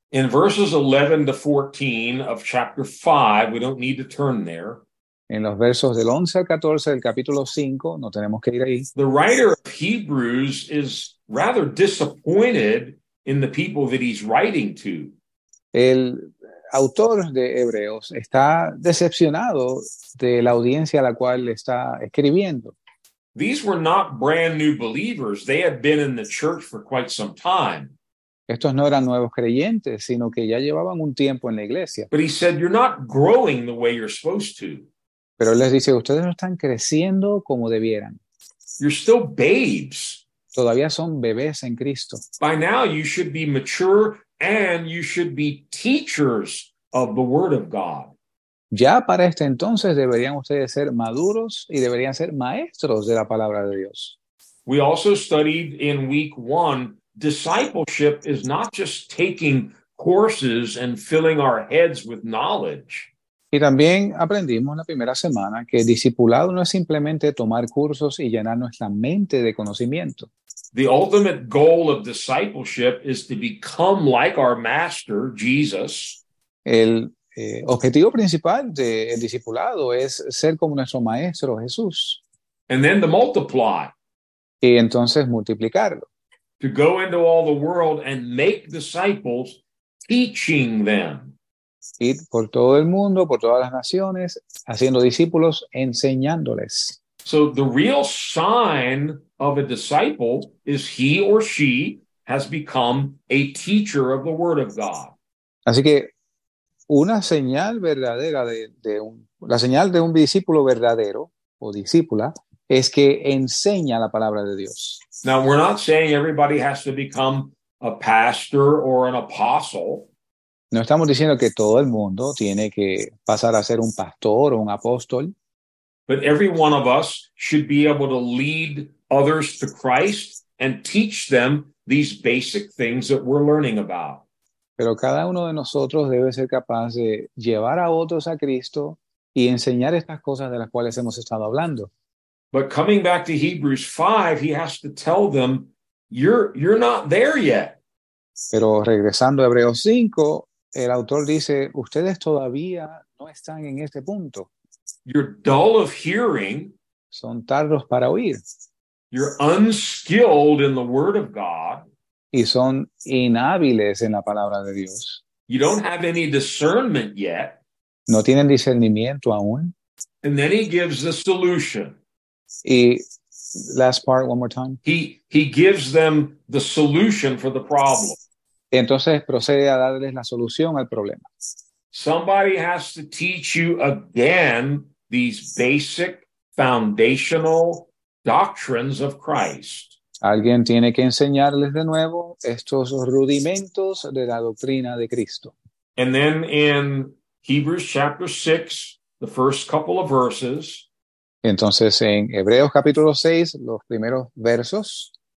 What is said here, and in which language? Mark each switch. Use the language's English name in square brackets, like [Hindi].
[English] In verses 11 to 14 of chapter 5, we don't need to turn there. [Spanish] En los versos del 11 al 14 del capítulo 5, no tenemos que ir ahí. [English] The writer of Hebrews is rather disappointed in the people that he's writing to. [Spanish] El autor de Hebreos está decepcionado de la audiencia a la cual está escribiendo. [English] These were not brand new believers. They had been in the church for quite some time. [Spanish] Estos no eran nuevos creyentes, sino que ya llevaban un tiempo en la iglesia. [English] But he said, you're not growing the way you're supposed to. [Spanish] Pero él les dice, ustedes no están creciendo como debieran. [English] You're still babes. [Spanish] Todavía son bebés en Cristo. [English] By now you should be mature and you should be teachers of the word of God. [Spanish] Ya para este entonces deberían ustedes ser maduros y deberían ser maestros de la palabra de Dios. [English] We also studied in week one, discipleship is not just taking courses and filling our heads with knowledge. [Spanish] Y también aprendimos la primera semana que discipulado no es simplemente tomar cursos y llenar nuestra mente de conocimiento. [English] The ultimate goal of discipleship is to become like our master, Jesus. [Spanish] El objetivo principal del discipulado es ser como nuestro maestro, Jesús. [English] And then to multiply. [Spanish] Y entonces multiplicarlo. [English] To go into all the world and make disciples, teaching them. [Spanish] Ir por todo el mundo, por todas las naciones, haciendo discípulos, enseñándoles. [English] So the real sign of a disciple is he or she has become a teacher of the word of God. [Spanish] Así que una señal verdadera de un la señal de un discípulo verdadero o discípula es que enseña la palabra de Dios. [English] Now, we're not saying everybody has to become a pastor or an apostle. [Spanish] No estamos diciendo que todo el mundo tiene que pasar a ser un pastor o un apóstol. [English] But every one of us should be able to lead others to Christ and teach them these basic things that we're learning about. [Spanish] Pero cada uno de nosotros debe ser capaz de llevar a otros a Cristo y enseñar estas cosas de las cuales hemos estado hablando. [English] But coming back to Hebrews 5, he has to tell them, you're not there yet. [Spanish] Pero regresando a Hebreos 5, el autor dice, ustedes todavía no están en este punto. [English] You're dull of hearing. [Spanish] Son tardos para oír. [English] You're unskilled in the word of God. [Spanish] Y son inhábiles en la palabra de Dios. [English] You don't have any discernment yet. [Spanish] No tienen discernimiento aún. [English] And then he gives the solution. Y last part, one more time. He gives them the solution for the problem. [Spanish] Entonces procede a darles la solución al problema. [English] Somebody has to teach you again these basic foundational doctrines of Christ. [Spanish] Alguien tiene que enseñarles de nuevo estos rudimentos de la doctrina de Cristo. [English] And then in Hebrews chapter 6, the first couple of verses. [Spanish] Entonces en Hebreos capítulo 6, los primeros versos.